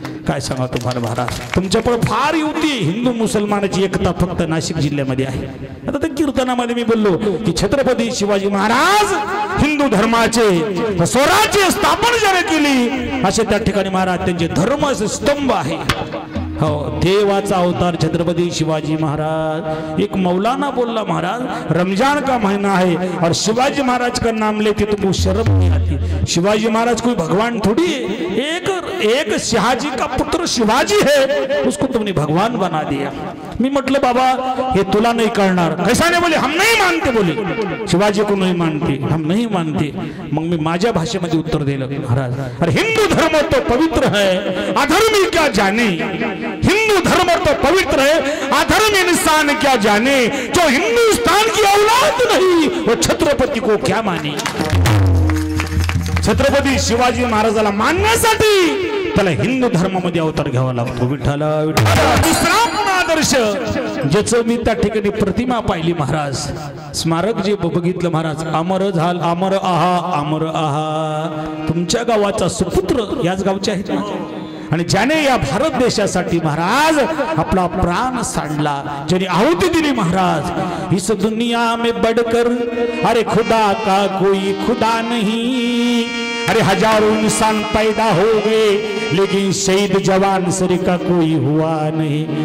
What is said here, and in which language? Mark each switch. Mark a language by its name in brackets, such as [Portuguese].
[Marathi] काय सांगा तुम्हाला महाराज, तुमच्याकडे फार युती हिंदू मुसलमानाची एकता फक्त नाशिक जिल्ह्यामध्ये आहे. आता त्या कीर्तनामध्ये मी बोललो की छत्रपती शिवाजी महाराज हिंदू धर्माचे स्वराज्य स्थापन ज्यांनी केली असे त्या ठिकाणी महाराज त्यांचे धर्म स्तंभ आहे. हो, देवाचा अवतार छत्रपती शिवाजी महाराज. एक मौलाना बोलला महाराज, [Hindi] रमजान का महिना आहे और शिवाजी महाराज का नाम लेके तुम शरम नहीं आती? शिवाजी महाराज कोई भगवान थोड़ी है, एक एक शहाजी का पुत्र शिवाजी है, उसको तुमने भगवान बना दिया. [Marathi] मी म्हटलं बाबा हे तुला नाही करणार. कशाने बोले? हम नाही मानते बोले. [Hindi] शिवाजी को नाही मानते, हम नाही मानते. [Marathi] मग मी माझ्या भाषेमध्ये उत्तर दिलं महाराज, [Hindi] अरे हिंदू धर्म तो पवित्र है, अधर्मी क्या जाने. हिंदू धर्म तो पवित्र है, अधर्मी इंसान क्या जाने. जो हिंदुस्तान की औलाद नहीं वो छत्रपति को क्या माने. [Marathi] छत्रपती शिवाजी महाराजाला मानण्यासाठी त्याला हिंदू धर्मामध्ये अवतार घ्यावा लागतो. विठ्ठल विठ्ठल दुसरा आदर्श ज्याचं मी त्या ठिकाणी प्रतिमा पाहिली महाराज, स्मारक जे बघितलं महाराज, अमर झाल अमर आहा अमर आहा. तुमच्या गावाचा सुपुत्र याच गावचे आहेत आणि ज्याने या भारत देशासाठी महाराज आपला प्राण सांडला, ज्याने आहुती दिली महाराज, [Hindi] इस दुनिया में बढ़कर अरे खुदा का कोई खुदा नहीं. अरे हजारो इंसान पैदा हो गए लेकिन शहीद जवान सर का कोई हुआ नहीं.